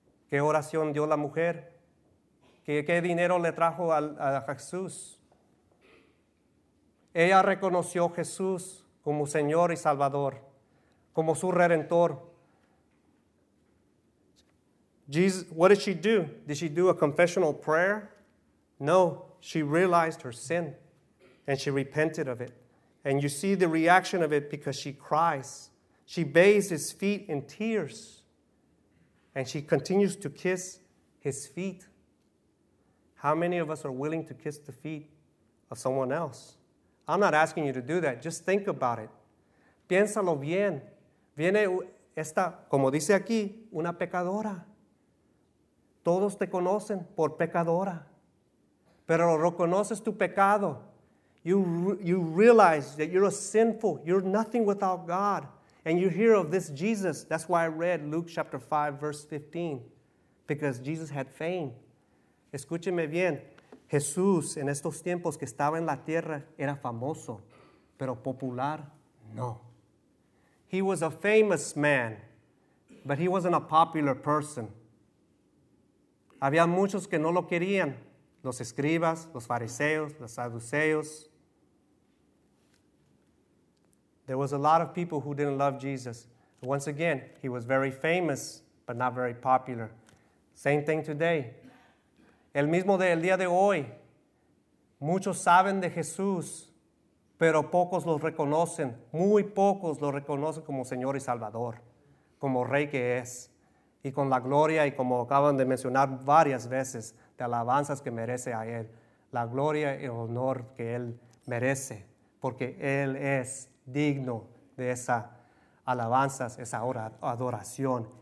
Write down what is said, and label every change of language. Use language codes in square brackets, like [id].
[es] ¿Qué oración dio la mujer? ¿Qué dinero le trajo a Jesús? Ella reconoció a Jesús como Señor y Salvador, como su Redentor. [en] Jesus, what did she do? Did she do a confessional prayer? No, she realized her sin and she repented of it. And you see the reaction of it because she cries. She bathes his feet in tears and she continues to kiss his feet. How many of us are willing to kiss the feet of someone else? I'm not asking you to do that. Just think about it. [es] Piénsalo bien. Viene esta, como dice aquí, una pecadora. Todos te conocen por pecadora. Pero reconoces tu pecado. [en] You realize that you're a sinful. You're nothing without God. And you hear of this Jesus. That's why I read Luke chapter 5, verse 15. Because Jesus had fame. [es] Escúcheme bien. Jesús, en estos tiempos que estaba en la tierra, era famoso, pero popular, no. [en] He was a famous man, but he wasn't a popular person. [es] Había muchos que no lo querían, los escribas, los fariseos, los saduceos. [en] There was a lot of people who didn't love Jesus. Once again, he was very famous, but not very popular. Same thing today. [es] El mismo del día de hoy, muchos saben de Jesús, pero pocos lo reconocen, muy pocos lo reconocen como Señor y Salvador, como Rey que es, y con la gloria, y como acaban de mencionar varias veces, de alabanzas que merece a Él, la gloria y honor que Él merece, porque Él es digno de esa alabanzas, esa adoración.